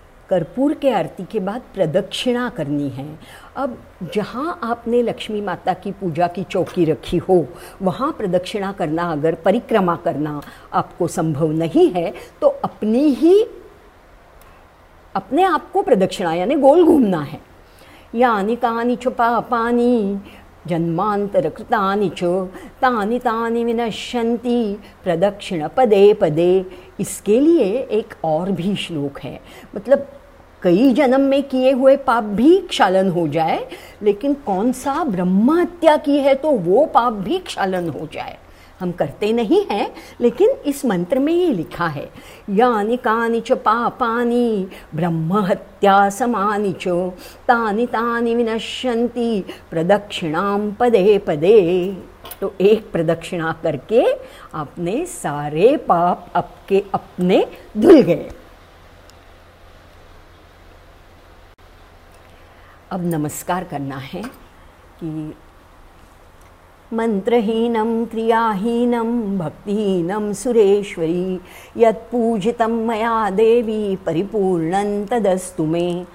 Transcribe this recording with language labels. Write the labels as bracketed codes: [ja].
[hi] कर्पूर के आरती के बाद प्रदक्षिणा करनी है। अब जहाँ आपने लक्ष्मी माता की पूजा की चौकी रखी हो वहाँ प्रदक्षिणा करना, अगर परिक्रमा करना आपको संभव नहीं है तो अपनी ही अपने आप को प्रदक्षिणा यानी गोल घूमना है। [sa] यानी कानी च पापानि जन्मांतर कृतानि च तानि तानि विनश्यन्ति प्रदक्षिण पदे पदे। [hi] इसके लिए एक और भी श्लोक है, मतलब कई जन्म में किए हुए पाप भी क्षालन हो जाए लेकिन कौन सा ब्रह्म हत्या की है तो वो पाप भी क्षालन हो जाए। हम करते नहीं हैं लेकिन इस मंत्र में ये लिखा है। [sa] यानि कानि च पापानि ब्रह्म हत्या समानि च तानि तानि विनश्यन्ति प्रदक्षिणां पदे पदे। [hi] तो एक प्रदक्षिणा करके आपने सारे पाप आपके अपने धुल गए। अब नमस्कार करना है कि [sa] मंत्रहीनं क्रियाहीनं भक्तिहीनं सुरेश्वरी यत् पूजितं मया देवी परिपूर्णं तदस्तु मे।